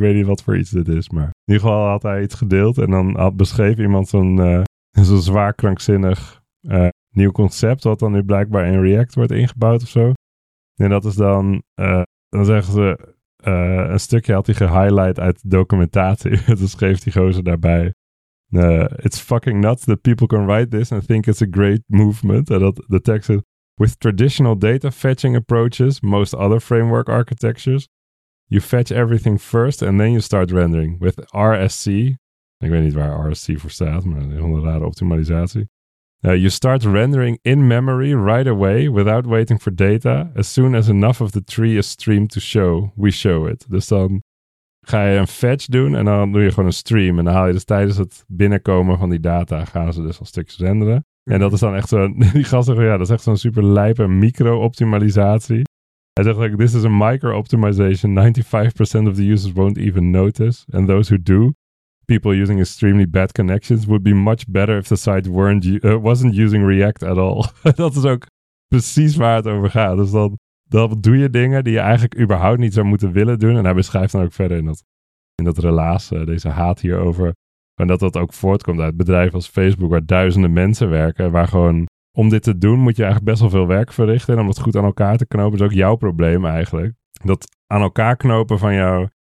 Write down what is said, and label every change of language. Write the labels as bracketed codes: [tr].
[nl] Ik weet niet wat voor iets dit is, maar in ieder geval had hij iets gedeeld en dan beschreef iemand zo'n zwaar krankzinnig nieuw concept wat dan nu blijkbaar in React wordt ingebouwd of zo. En dat is dan, dan zeggen ze, een stukje had hij gehighlight uit documentatie. Dus schreef die gozer daarbij. [en] It's fucking nuts that people can write this and think it's a great movement. [nl] En dat de tekst is, [en] with traditional data fetching approaches, most other framework architectures, you fetch everything first and then you start rendering. [nl] With RSC, ik weet niet waar RSC voor staat, maar een hele rare optimalisatie. [en] You start rendering in memory right away without waiting for data. As soon as enough of the tree is streamed to show, we show it. [nl] Dus dan ga je een fetch doen en dan doe je gewoon een stream. En dan haal je dus tijdens het binnenkomen van die data, gaan ze dus al stukjes renderen. Mm-hmm. En dat is dan echt zo'n, die gast zegt, ja, dat is echt zo'n super lijpe micro-optimalisatie. Hij zegt, [en] like, this is a micro-optimization. 95% of the users won't even notice. And those who do, people using extremely bad connections would be much better if the site wasn't using React at all. [nl] Dat is ook precies waar het over gaat. Dus dan doe je dingen die je eigenlijk überhaupt niet zou moeten willen doen. En hij beschrijft dan ook verder in dat relaas, deze haat hierover. En dat ook voortkomt uit bedrijven als Facebook, waar duizenden mensen werken. Waar gewoon, om dit te doen, moet je eigenlijk best wel veel werk verrichten. En om het goed aan elkaar te knopen, is ook jouw probleem eigenlijk. Dat aan elkaar knopen van jouw